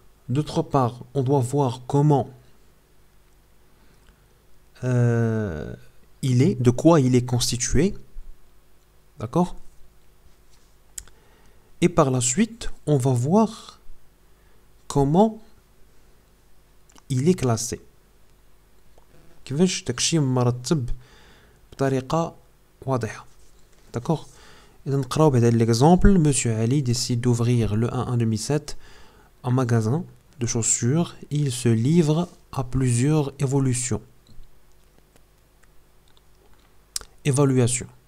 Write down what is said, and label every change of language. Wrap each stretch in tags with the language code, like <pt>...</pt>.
<fr>D'autre part, on doit voir comment il est, de quoi il est constitué. D'accord? Et par la suite, on va voir comment il est classé.</fr> <ar>كيفاش تكشيم مرتب بطريقة واضحة.</ar> <fr>D'accord. Et donc, regardez l'exemple. Monsieur Ali décide d'ouvrir le 1/1/7 un magasin de chaussures. Il se livre à plusieurs évolutions. Évaluation.</fr>